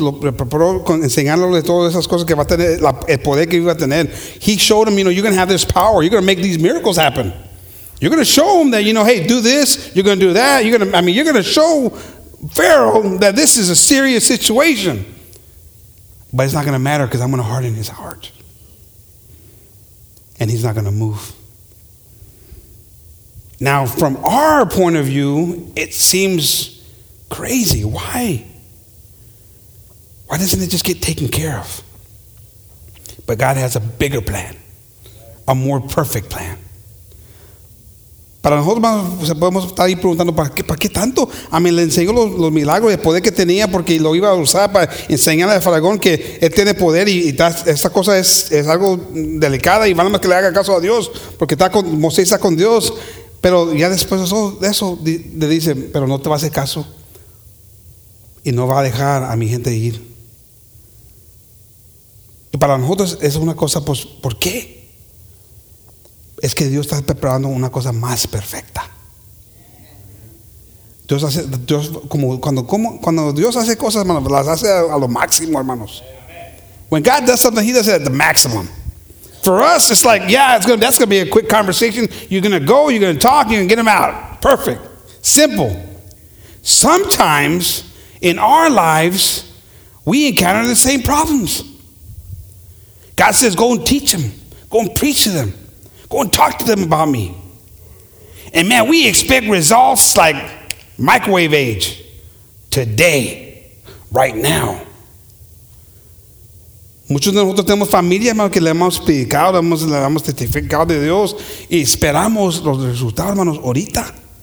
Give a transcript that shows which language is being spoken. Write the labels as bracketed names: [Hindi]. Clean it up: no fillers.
[Spanish] Lo preparó con enseñándole todas esas cosas que va a tener, el poder que iba a tener. [English] He showed him, you know, you're going to have this power. You're going to make these miracles happen. You're going to show him that, you know, hey, do this. You're going to do that. You're going to show Pharaoh that this is a serious situation. But it's not going to matter because I'm going to harden his heart. And he's not going to move. Now, from our point of view, it seems crazy. Why? Why doesn't it just get taken care of? But God has a bigger plan, a more perfect plan. [Spanish] Para nosotros, se podemos estar ahí preguntando, ¿para qué tanto? A mí le enseñó los milagros, el poder que tenía, porque lo iba a usar para enseñarle a Faraón que él tiene poder y esta cosa es algo delicada y vale más que le haga caso a Dios, porque está con Moisés, está con Dios. Pero ya después de eso le dice, pero no te va a hacer caso y no va a dejar a mi gente ir. Y para nosotros es una cosa, pues, ¿por qué? Es que Dios está preparando una cosa más perfecta. Cuando Dios hace cosas, hermanos, las hace a lo máximo, hermanos. [English] When God does something, he does it at the maximum. For us, it's like, yeah, that's going to be a quick conversation. You're going to go, you're going to talk, you're going to get them out. Perfect. Simple. Sometimes in our lives, we encounter the same problems. God says, go and teach them. Go and preach to them. Go and talk to them about me. And man, we expect results like microwave age. Today. Right now. [Spanish] Muchos de nosotros tenemos familia, hermanos, que le hemos predicado, le hemos testificado de Dios y esperamos los resultados, hermanos, ahorita.